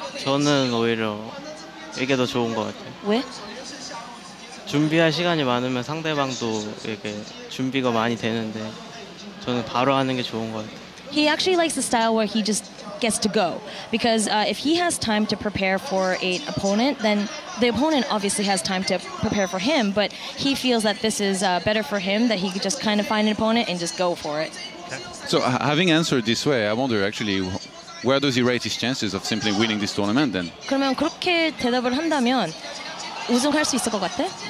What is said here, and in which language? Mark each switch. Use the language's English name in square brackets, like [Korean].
[Korean] 저는 오히려 이게 더 좋은 것 같아요. 왜? 준비할 시간이 많으면 상대방도 이렇게 준비가 많이 되는데 저는 바로 하는 게 좋은 것 같아요. [English] He actually likes the style where he just gets to go. Because if he has time to prepare for an opponent, then the opponent obviously has time to prepare for him, but he feels that this is better for him, that he could just kind of find an opponent and just go for it. So having answered this way, I wonder actually, where does he rate his chances of simply winning this tournament then? [Korean] 그러면 그렇게 대답을 한다면 우승할 수 있을 것 같아?